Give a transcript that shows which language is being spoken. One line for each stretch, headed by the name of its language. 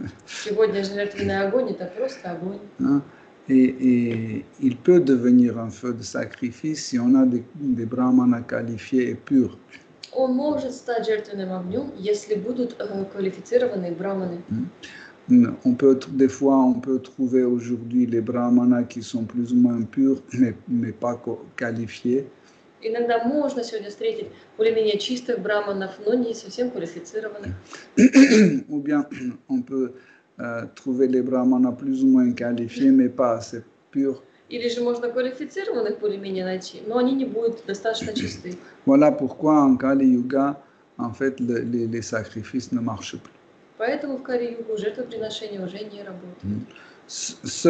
Russian: Сегодня жертвенный огонь — это просто огонь.
French: Et il peut devenir un feu de sacrifice si on a des brahmanas qualifiés et purs.
Russian: Он может стать жертвенным огнем, если будут квалифицированные брахманы.
French: On peut trouver aujourd'hui les brahmanas qui sont plus ou moins purs, mais pas qualifiés.
Russian: Иногда можно сегодня встретить более-менее чистых брахманов, но не совсем квалифицированных.
French: Ou bien on peut trouver les brahmanas plus ou moins qualifiés, mais pas assez purs.
Russian: Или же можно квалифицированных более-менее найти, но они не будут достаточно чисты.
French: Voilà pourquoi en Kali-Yuga, en fait, les sacrifices ne marchent plus.
Russian: Поэтому в Кали-Югу жертвоприношения уже не работают.